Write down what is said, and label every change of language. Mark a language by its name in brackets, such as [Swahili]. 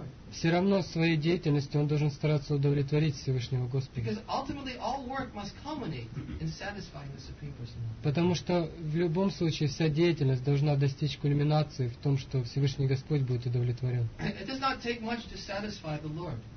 [Russian] все равно своей деятельностью он должен стараться удовлетворить Всевышнего Господа. [English] Because ultimately all work must culminate in satisfying the Supreme Personality. [Russian] Потому что в любом случае вся деятельность должна достичь кульминации в том, что Всевышний Господь будет удовлетворен. [English] It does not take much to satisfy the Lord.